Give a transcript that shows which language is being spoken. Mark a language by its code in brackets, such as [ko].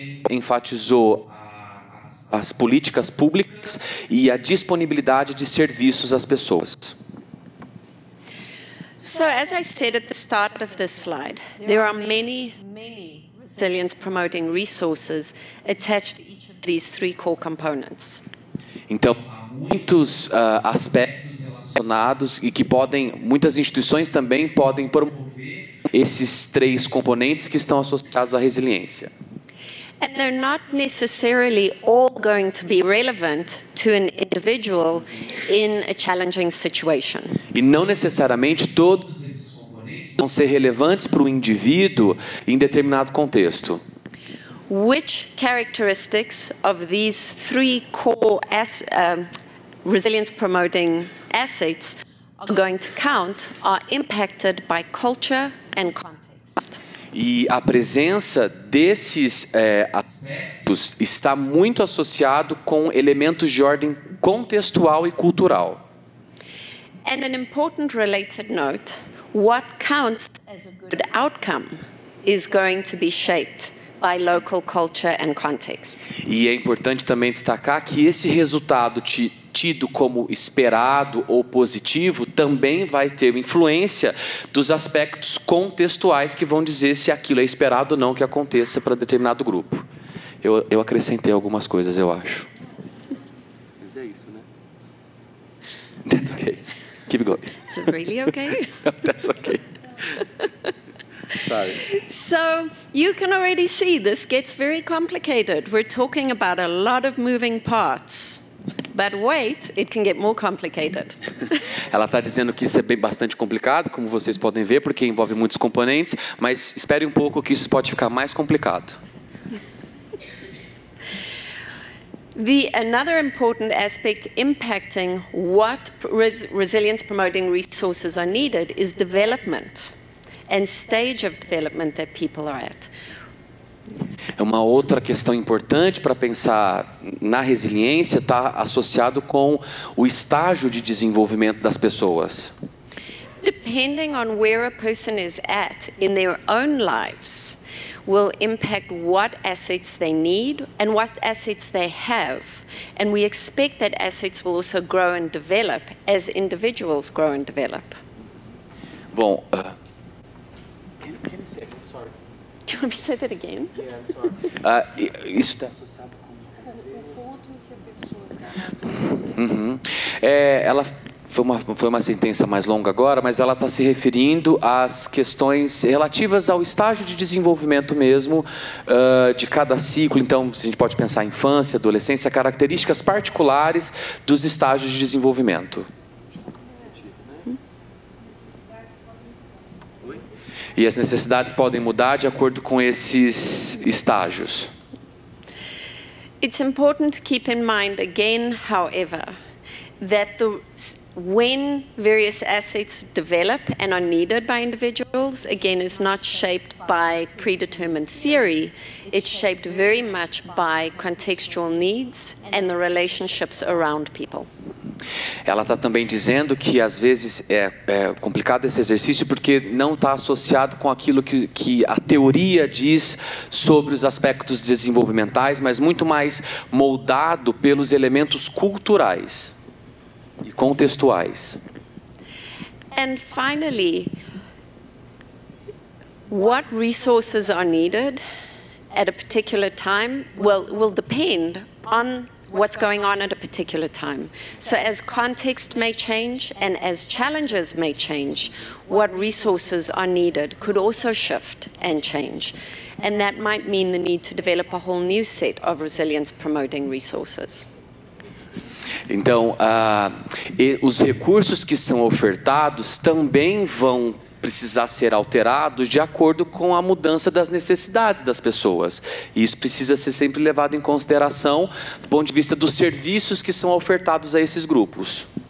[pt] Enfatizou as políticas públicas e a disponibilidade de serviços às pessoas. [en] So as I said at the start of this slide, there are many, many resilience promoting resources attached to each of these three core components. [pt] Então, muitos aspectos relacionados e que podem, muitas instituições também podem promover esses três componentes que estão associados à resiliência. [en] And they're not necessarily all going to be relevant to an individual in a challenging situation. [pt] E não necessariamente todos esses componentes vão ser relevantes para o indivíduo em determinado contexto. [en] Which characteristics of these three core resilience promoting assets are going to count are impacted by culture and context? [pt] E a presença desses aspectos está muito associado com elementos de ordem contextual e cultural. [en] And an important related note, what counts as a good outcome is going to be shaped by local culture and context. [pt] E é importante também destacar que esse resultado tido como esperado ou positivo também vai ter influência dos aspectos contextuais que vão dizer se aquilo é esperado ou não que aconteça para determinado grupo. Eu acrescentei algumas coisas, eu acho. Mas é isso, né? [en] That's okay. Keep going. Is it really okay? No, that's okay. Sorry. So you can already see this gets very complicated. We're talking about a lot of moving parts. But wait, it can get more complicated. [pt] Ela está dizendo que isso é bem bastante complicado, como vocês podem ver, porque envolve muitos componentes, mas espere um pouco que isso pode ficar mais complicado. [en] The another important aspect impacting what resilience promoting resources are needed is development and stage of development that people are at. [pt] É uma outra questão importante para pensar na resiliência, está associado com o estágio de desenvolvimento das pessoas. [en] Depending on where a person is at in their own lives will impact what assets they need and what assets they have. And we expect that assets will also grow and develop as individuals grow and develop. [pt] Bom, [en] do you want me to say that again? Yeah, I'm sorry. [pt] Ela foi uma sentença mais longa agora, mas ela está se referindo às questões relativas ao estágio de desenvolvimento mesmo de cada ciclo. Então, se a gente pode pensar infância, adolescência, características particulares dos estágios de desenvolvimento. E as necessidades podem mudar de acordo com esses estágios. [en] It's important to keep in mind again, however, that the when various assets develop and are needed by individuals, again, is not shaped by predetermined theory. It's shaped very much by contextual needs and the relationships around people. [pt] Ela está também dizendo que às vezes é complicado esse exercício porque não está associado com aquilo que a teoria diz sobre os aspectos desenvolvimentais, mas muito mais moldado pelos elementos culturais e contextuais. [en] And finally, what resources are needed at a particular time will depend on what's going on at a particular time. So as context may change and as challenges may change, what resources are needed could also shift and change. And that might mean the need to develop a whole new set of resilience promoting resources. [pt] Então, os recursos que são ofertados também vão precisar ser alterados de acordo com a mudança das necessidades das pessoas. E isso precisa ser sempre levado em consideração do ponto de vista dos serviços que são ofertados a esses grupos.